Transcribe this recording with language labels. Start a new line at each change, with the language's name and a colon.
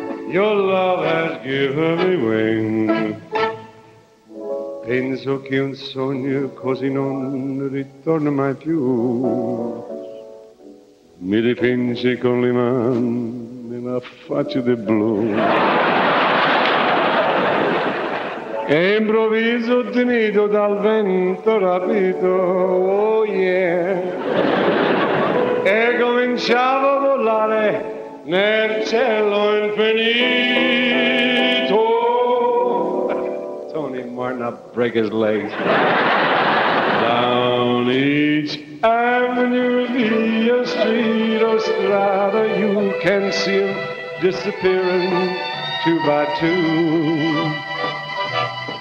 English: Your love has given me wings.
Italian: Penso che un sogno così non ritorna mai più. Mi dipinge con le mani la faccia di blu. E improvviso tenido dal vento rapito,
English: oh yeah.
Italian: E cominciavo a volare nel cielo infinito.
English: Tony Martin, I'll break his legs. Down each avenue, via street or strada, you can see him disappearing two by two.